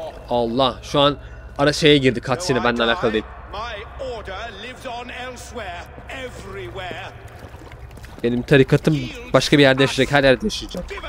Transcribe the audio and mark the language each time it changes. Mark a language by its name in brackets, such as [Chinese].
[Turkish] Allah, şu an ara şeye girdi cutscene, benle alakalı değil. [English] My order lives on elsewhere, everywhere. [Turkish] Benim tarikatım başka bir yerde yaşayacak, her yerde yaşayacak.